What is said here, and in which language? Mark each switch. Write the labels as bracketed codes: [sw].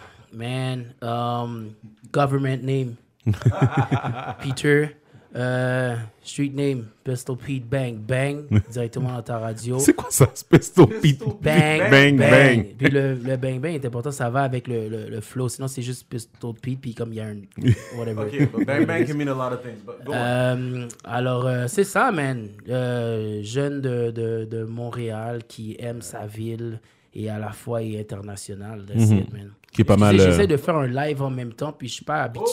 [en] Government name. Peter. Street name, [fr] Pistol Pete Bang. Bang, directement dans ta radio. C'est quoi ça, Pistol Pete? [en] Bang. [fr] Puis le bang bang est important, ça va avec le flow. Sinon, c'est juste Pistol Pete, puis comme il y a un whatever. [en] Okay, but bang bang can mean a lot of things, but go on. [fr] Alors, c'est ça, man. Jeune de Montréal qui aime sa ville et à la fois est international. [en] That's it, man. [fr] Qui est pas mal. J'essaie de faire un live en même temps, puis je suis pas habitué.